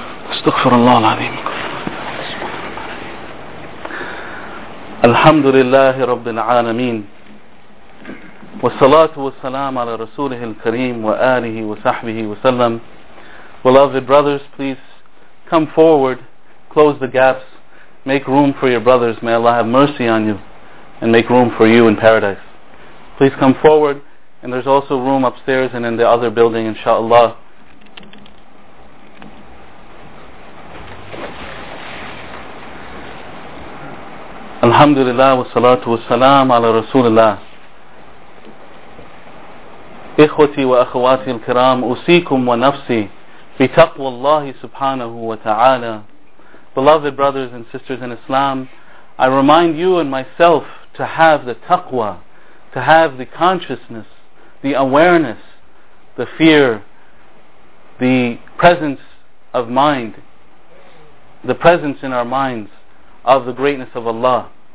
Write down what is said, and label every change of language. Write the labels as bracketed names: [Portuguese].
[Arabic] استغفر الله العظيم. الحمد لله رب العالمين والصلاة والسلام على رسوله الكريم وآله وصحبه وسلم. [English] Beloved brothers, please come forward, close the gaps, make room for your brothers. May Allah have mercy on you and make room for you in paradise. Please come forward, and there's also room upstairs and in the other building, inshallah. [Arabic] Alhamdulillah wa salatu wa salam ala Rasulullah. إخوتي وأخواتي الكرام أوصيكم ونفسي بتقوى الله سبحانه وتعالى. [English] Beloved brothers and sisters in Islam, I remind you and myself to have the taqwa, to have the consciousness, the awareness, the fear, the presence of mind, the presence in our minds of the greatness of Allah.